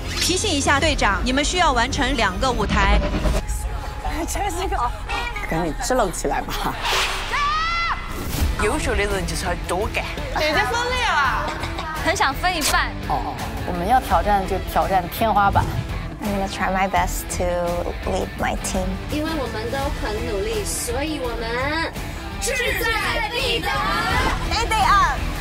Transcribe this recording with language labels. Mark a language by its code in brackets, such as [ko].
[zh] 提醒一下队长，你们需要完成两个舞台。真是个，赶紧支棱起来吧。优秀的人就是要多干。姐姐分裂了，很想分一半。哦，我们要挑战就挑战天花板。 [en] I'm gonna try my best to lead my team. [zh] 因为我们都很努力，所以我们志在必得。 [en] Lady up.